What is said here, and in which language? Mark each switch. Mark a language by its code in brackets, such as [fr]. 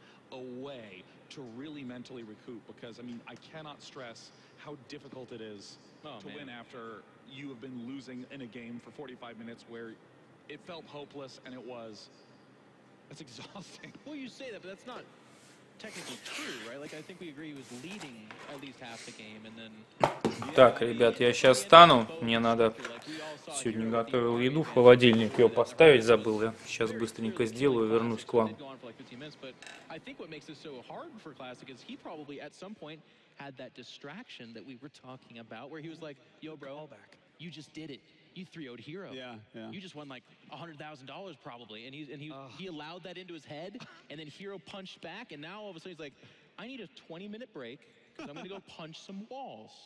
[en] Away to really mentally recoup, because I mean, I cannot stress how difficult it is win after you have been losing in a game for 45 minutes where it felt hopeless, and it was, it's exhausting. Well, you say that, but that's not technically true, right? Like, I think we agree he was leading at least half the game, and then [ru] так, ребят, я сейчас встану, мне надо сегодня готовил еду в холодильник, ее поставить забыл, я сейчас быстренько сделаю, вернусь к вам. [en] I think what makes this so hard for Classic is he probably at some point had that distraction that we were talking about where he was like, yo bro, you just did it. You 3-0'd Hero. Yeah. You just won like $100,000 probably. And he allowed that into his head, and then Hero punched back, and now all of a sudden he's like, I need a 20-minute break, because I'm gonna go punch some walls.